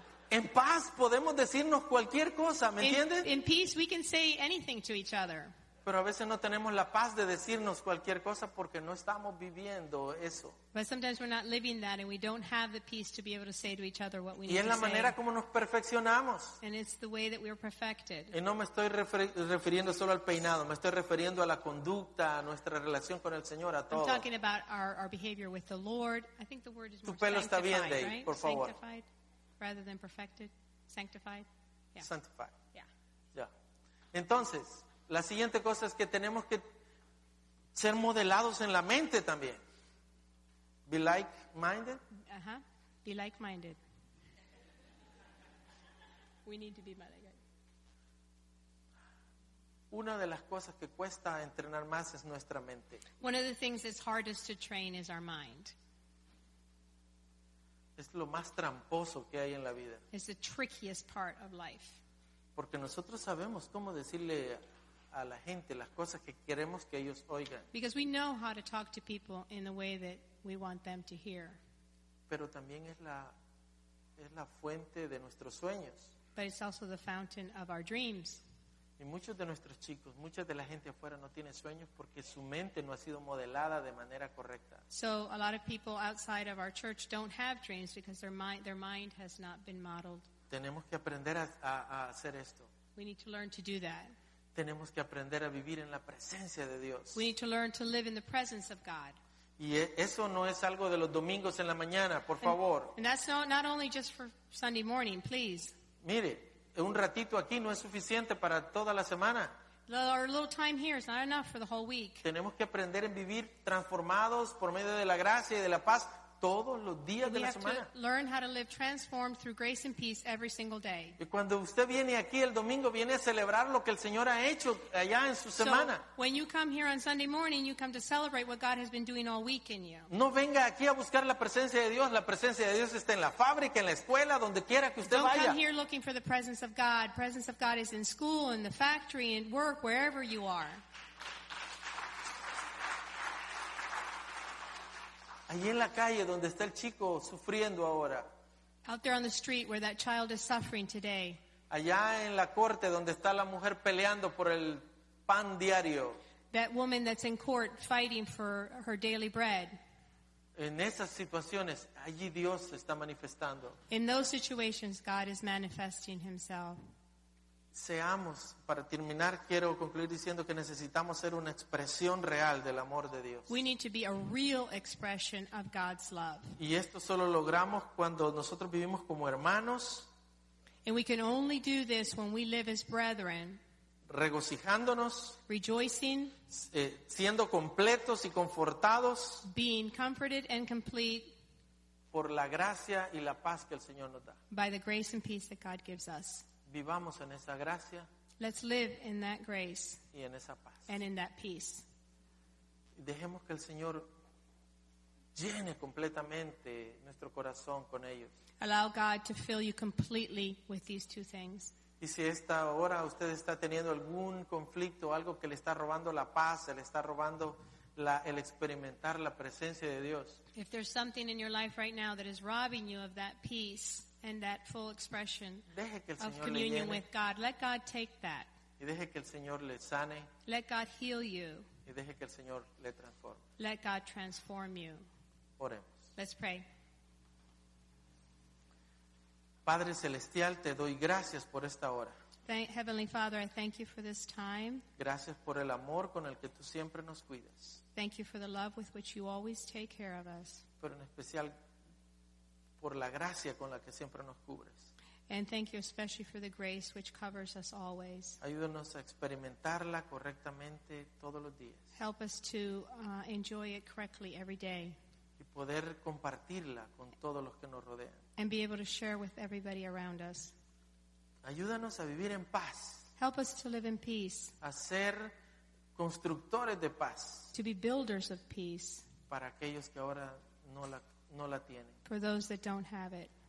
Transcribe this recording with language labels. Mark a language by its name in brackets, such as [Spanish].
[Spanish] En paz podemos decirnos cualquier cosa, ¿me entiendes? [English] In peace we can say anything to each other. [Spanish] Pero a veces no tenemos la paz de decirnos cualquier cosa porque no estamos viviendo eso. [English] But sometimes we're not living that and we don't have the peace to be able to say to each other what we [Spanish] y [English] need to say. [Spanish] Y es la manera como nos perfeccionamos. [English] And it's the way that we are perfected. [Spanish] Y no me estoy refiriendo solo al peinado, me estoy refiriendo a la conducta, a nuestra relación con el Señor, a todo. [English] I'm talking about our behavior with the Lord. I think the word is [Spanish] tu pelo está bien, Dave, [English] right? [Spanish] Por favor. [English] Sanctified rather than perfected. Sanctified. Yeah. Sanctified. Yeah. Yeah. [Spanish] Entonces, la siguiente cosa es que tenemos que ser modelados en la mente también. [English] Be like-minded. Uh-huh. Be like-minded. We need to be like-minded. [Spanish] Una de las cosas que cuesta entrenar más es nuestra mente. [English] One of the things that's hardest to train is our mind. [Spanish] Es lo más tramposo que hay en la vida. [English] It's the trickiest part of life. [Spanish] Porque nosotros sabemos cómo decirle a la gente las cosas que queremos que ellos oigan. [English] Because we know how to talk to people in the way that we want them to hear. [Spanish] Pero también es la fuente de nuestros sueños. [English] But it's also the fountain of our dreams. [Spanish] Y muchos de nuestros chicos, mucha de la gente afuera no tiene sueños porque su mente no ha sido modelada de manera correcta. [English] So a lot of people outside of our church don't have dreams because their mind has not been modeled. [Spanish] Tenemos que aprender a hacer esto. [English] We need to learn to do that. [Spanish] Tenemos que aprender a vivir en la presencia de Dios. [English] We need to learn to live in the presence of God. [Spanish] Y eso no es algo de los domingos en la mañana, por favor. [English] And that's not only just for Sunday morning, please. [Spanish] Mire, un ratito aquí no es suficiente para toda la semana. [English] Our little time here is not enough for the whole week. [Spanish] Tenemos que aprender a vivir transformados por medio de la gracia y de la paz todos los días de la semana. [English] We have to learn how to live transformed through grace and peace every single day. [Spanish] Y cuando usted viene aquí el domingo, viene a celebrar lo que el Señor ha hecho allá en su semana. [English] So when you come here on Sunday morning, you come to celebrate what God has been doing all week in you. [Spanish] No venga aquí a buscar la presencia de Dios. La presencia de Dios está en la fábrica, en la escuela, donde quiera que usted vaya. [English] Don't come here looking for the presence of God. Presence of God is in school, in the factory, in work, wherever you are. [Spanish] Allí en la calle donde está el chico sufriendo ahora. [English] Out there on the street where that child is suffering today. [Spanish] Allá en la corte donde está la mujer peleando por el pan diario. [English] That woman that's in court fighting for her daily bread. [Spanish] En esas situaciones, allí Dios se está manifestando. [English] In those situations, God is manifesting himself. [Spanish] Seamos, para terminar, quiero concluir diciendo que necesitamos ser una expresión real del amor de Dios. [English] We need to be a real expression of God's love. [Spanish] Y esto solo logramos cuando nosotros vivimos como hermanos. [English] And we can only do this when we live as brethren. [Spanish] regocijándonos, [English] rejoicing, [Spanish] siendo completos y confortados, [English] being comforted and complete, [Spanish] por la gracia y la paz que el Señor nos da. [English] By the grace and peace that God gives us. [Spanish] Vivamos en esa gracia. [English] Let's live in that grace. [Spanish] Y en esa paz. [English] And in that peace. [Spanish] Dejemos que el Señor llene completamente nuestro corazón con ellos. [English] Allow God to fill you completely with these two things. [Spanish] Y si esta hora usted está teniendo algún conflicto, algo que le está robando la paz, le está robando el experimentar la presencia de Dios. [English] If there's something in your life right now that is robbing you of that peace and that full expression of communion with God, let God take that. [Spanish] Y deje que el Señor le sane. [English] Let God heal you. [Spanish] Y deje que el Señor le transforme. [English] Let God transform you. [Spanish] Oremos. [English] Let's pray. [Spanish] Padre Celestial, te doy gracias por esta hora. [English] Heavenly Father, I thank you for this time. [Spanish] Gracias por el amor con el que tú siempre nos cuidas. [English] Thank you for the love with which you always take care of us. [Spanish] Pero en especial por la gracia con la que siempre nos cubres. [English] And thank you especially for the grace which covers us always. [Spanish] Ayúdanos a experimentarla correctamente todos los días. [English] Help us to enjoy it correctly every day. [Spanish] Y poder compartirla con todos los que nos rodean. [English] And be able to share with everybody around us. [Spanish] Ayúdanos a vivir en paz. [English] Help us to live in peace. [Spanish] A ser constructores de paz. [English] To be builders of peace. [Spanish] Para aquellos que ahora no la tienen. [English] For those that don't have it.